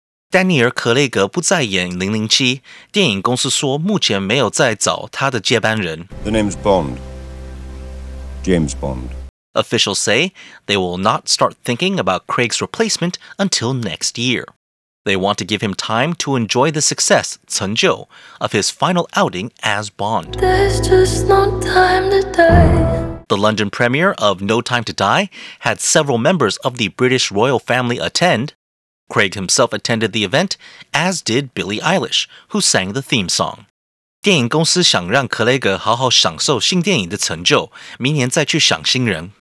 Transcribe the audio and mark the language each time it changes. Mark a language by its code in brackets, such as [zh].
[zh] 丹尼尔·克雷格不再演007，电影公司说目前没有再找他的接班人。 [en] The name's Bond. James Bond. Officials say they will not start thinking about Craig's replacement until next year. They want to give him time to enjoy the success, [zh] 成就, [en] of his final outing as Bond. There's just no time to die. The London premiere of No Time to Die had several members of the British royal family attend. Craig himself attended the event, as did Billie Eilish, who sang the theme song. [zh] 电影公司想让克雷格好好享受新电影的成就，明年再去想新人。